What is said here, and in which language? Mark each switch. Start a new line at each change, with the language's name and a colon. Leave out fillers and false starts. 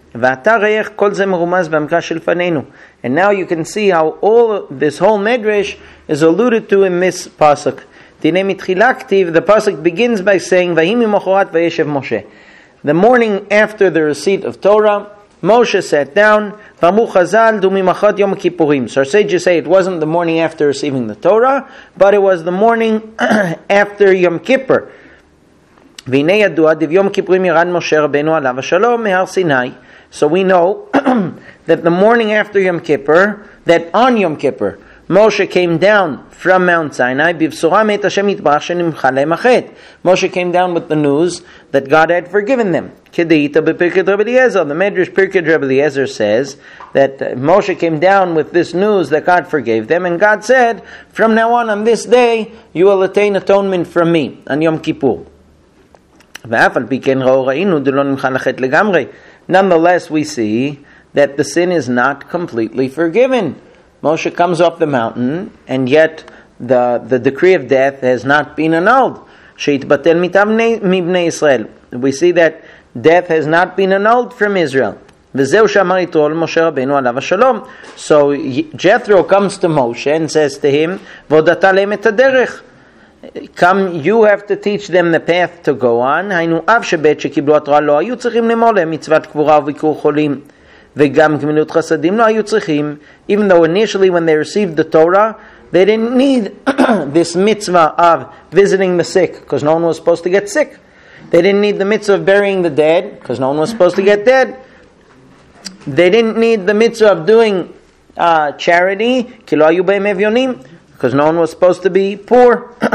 Hebrew: ואתה ראה איך כל זה מרומז בעמקה שלפנינו.
English: And now you can see how all this whole medrash is alluded to in this pasuk.
Hebrew: תהנה מתחילה כתיב,
English: the pasuk begins by saying,
Hebrew: והיא ממחרת וישב משה.
English: The morning after the receipt of Torah, Moshe sat down,
Hebrew: ואמרו חזל דו ממחרת יום הכיפורים.
English: So our sages say it wasn't the morning after receiving the Torah, but it was the morning after Yom Kippur.
Hebrew: והנה ידוע, דיו יום הכיפורים ירד משה רבנו עליו השלום מהר סיני.
English: So we know that the morning after Yom Kippur, that on Yom Kippur, Moshe came down from Mount Sinai,
Hebrew: בבשורה מאת השם יתברך שנמחה להם החטא.
English: Moshe came down with the news that God had forgiven them.
Hebrew: Kedita bepirkei
English: Rabbi Eliezer. The Medrash Pirkei Rabbi Eliezer says that Moshe came down with this news that God forgave them, and God said, from now on this day, you will attain atonement from me, on Yom Kippur.
Hebrew: ואף על פי כן ראו ראינו דלא נמחה לחטא לגמרי.
English: Nonetheless, we see that the sin is not completely forgiven. Moshe comes off the mountain, and yet the decree of death has not been annulled.
Hebrew: שיתבטל מבני ישראל.
English: We see that death has not been annulled from Israel.
Hebrew: וזהו שאמר יתרו למשה רבנו עליו השלום.
English: So Jethro comes to Moshe and says to him,
Hebrew: ועודתה להם את הדרך.
English: Come, you have to teach them the path to go on.
Hebrew: היינו אף שבית שקיבלו התורה לא היו צריכים למול להם מצוות קבורה וביקור חולים. וגם גמילות חסדים לא היו צריכים,
English: even though initially when they received the Torah, they didn't need this mitzvah of visiting the sick, because no one was supposed to get sick. They didn't need the mitzvah of burying the dead, because no one was supposed to get dead. They didn't need the mitzvah of doing charity,
Hebrew: כי לא היו בהם אביונים,
English: because no one was supposed to be poor.